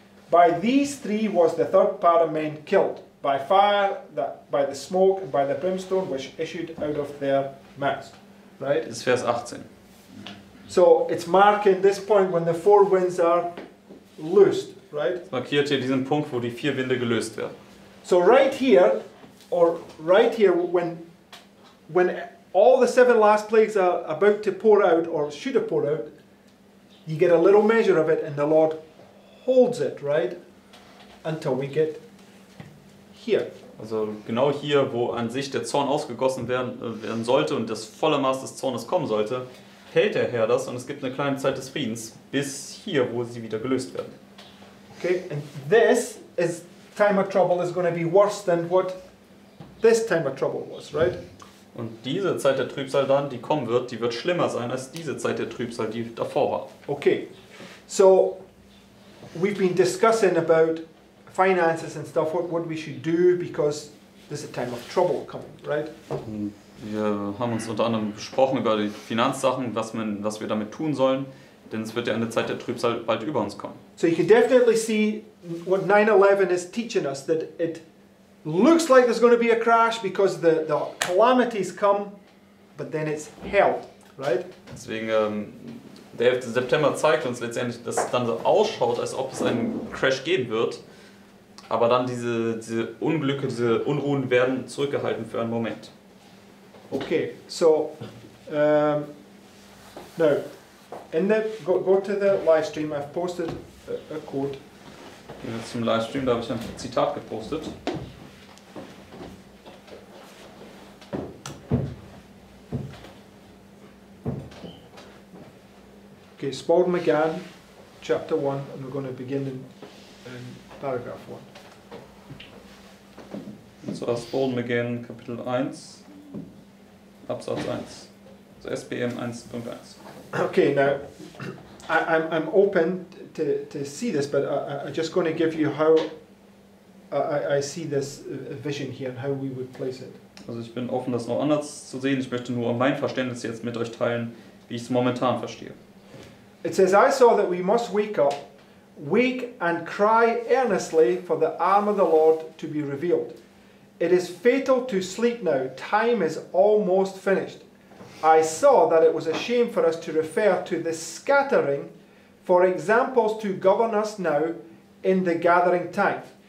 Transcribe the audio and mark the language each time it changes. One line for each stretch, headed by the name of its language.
English: By these three was the third part of men killed, by fire, by the smoke, and by the brimstone which issued out of their mouths. Right? It's verse 18. So it's marking this point when the four winds are loosed, right?
German: Markiert hier diesen Punkt, wo die vier Winde gelöst werden.
English: So right here, when all the seven last plagues are about to pour out, or should have poured out, you get a little measure of it, and the Lord holds it, right, until we get here.
German: Also genau hier, wo an sich der Zorn ausgegossen werden sollte und das volle Maß des Zornes kommen sollte, hält der Herr das und es gibt eine kleine Zeit des Friedens, bis hier, wo sie wieder gelöst werden.
English: Okay, and this is time of trouble is going to be worse than what this time of trouble was, right?
German: Und diese Zeit der Trübsal dann, die kommen wird, die wird schlimmer sein als diese Zeit der Trübsal, die davor war.
English: Okay, so we've been discussing about finances and stuff, what we should do, because there's a time of trouble coming, right?
German: Wir haben uns unter anderem besprochen über die Finanzsachen, was wir damit tun sollen, denn es wird ja eine Zeit der Trübsal bald über uns kommen.
English: So you can definitely see what 9/11 is teaching us, that it looks like there's going to be a crash because the calamities come, but then it's held, right?
German: Deswegen, der 11. September zeigt uns letztendlich, dass es dann so ausschaut, als ob es einen Crash geben wird, aber dann diese Unglücke, diese Unruhen werden zurückgehalten für einen Moment.
English: Okay, so, now, in the, go to the live stream, I've posted a quote.
German: Gehen wir zum Livestream, da habe ich ein Zitat gepostet.
English: Okay, Spawn McGann, chapter 1, and we're going to begin in paragraph 1.
German: So, Spawn McGann, Kapitel 1, Absatz 1.
English: So, SBM 1.1. Okay, now, I'm open to see this, but I'm just going to give you how I see this vision here and how we would place it.
German: Also, ich bin offen, das noch anders zu sehen. Ich möchte nur mein Verständnis jetzt mit euch teilen, wie ich es momentan verstehe.
English: It says, I saw that we must wake up, wake and cry earnestly for the arm of the Lord to be revealed. It is fatal to sleep now. Time is almost finished. I saw that it was a shame for us to refer to the scattering for examples to govern us now in the gathering time.